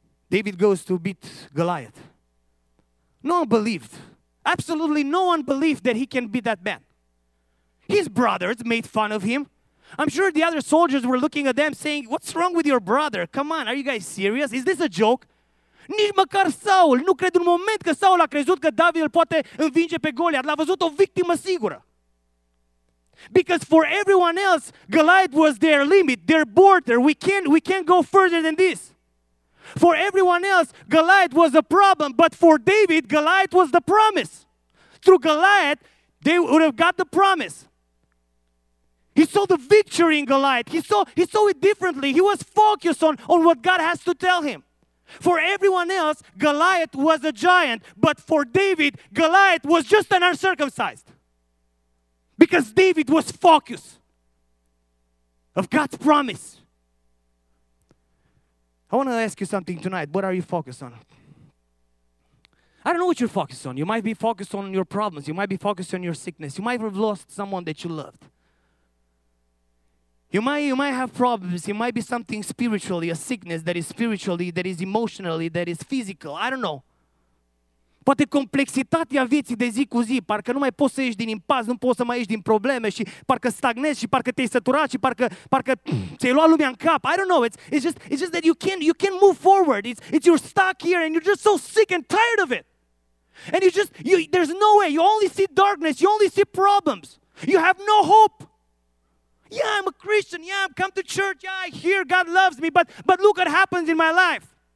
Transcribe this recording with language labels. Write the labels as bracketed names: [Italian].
[English] David goes to beat Goliath. No one believed. Absolutely no one believed that he can beat that man. His brothers made fun of him. I'm sure the other soldiers were looking at them saying, what's wrong with your brother? Come on, are you guys serious? Is this a joke? [Romanian] Nici măcar Saul nu cred un moment că Saul a crezut că David îl poate învinge pe Goliath. L-a văzut o victimă sigură. [English] Because for everyone else, Goliath was their limit, their border. We can't go further than this. For everyone else, Goliath was a problem. But for David, Goliath was the promise. Through Goliath, they would have got the promise. He saw the victory in Goliath. He saw it differently. He was focused on what God has to tell him. For everyone else, Goliath was a giant. But for David, Goliath was just an uncircumcised. Because David was focused of God's promise. I want to ask you something tonight. What are you focused on? I don't know what you're focused on. You might be focused on your problems. You might be focused on your sickness. You might have lost someone that you loved. You might have problems. It might be something spiritually, a sickness that is spiritually, that is emotionally, that is physical. I don't know. [Romanian] Poate complexitatea vieții de zi cu zi, parcă nu mai poți să ieși din impas, nu poți să mai ieși din probleme și parcă stagnezi și parcă te-ai săturat și parcă ți-ai luat lumea în cap. [English] I don't know, it's just that you can't move forward. It's you're stuck here and you're just so sick and tired of it. And there's no way, you only see darkness, you only see problems. You have no hope. Yeah, I'm a Christian, yeah, I've come to church, yeah, I hear God loves me, but look what happens in my life.